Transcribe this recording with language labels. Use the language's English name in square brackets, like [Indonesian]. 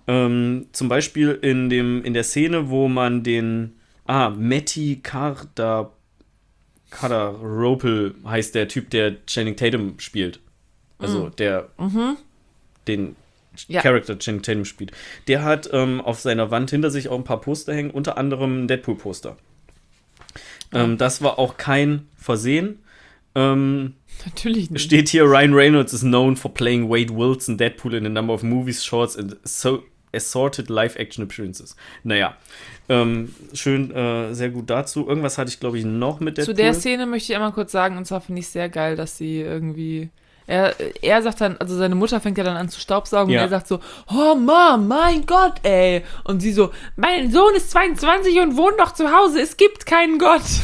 [German] Zum Beispiel in der Szene, wo man den, Matty Cardaropel heißt der Typ, der Channing Tatum spielt. Also der, den ja. Charakter Channing Tatum spielt. Der hat auf seiner Wand hinter sich auch ein paar Poster hängen, unter anderem ein Deadpool-Poster. Das war auch kein Versehen. Natürlich nicht. Steht hier, [English] Ryan Reynolds is known for playing Wade Wilson Deadpool in a number of movies, shorts and assorted live-action appearances. [German] Naja, schön, sehr gut dazu. Irgendwas hatte ich, glaube ich, noch mit Deadpool. Zu der Szene möchte ich einmal kurz sagen, und zwar finde ich sehr geil, dass sie irgendwie... Er sagt dann, also seine Mutter fängt ja dann an zu staubsaugen, ja. Und er sagt so, oh Mom, mein Gott, ey. Und sie so, mein Sohn ist 22 und wohnt noch zu Hause, es gibt keinen Gott.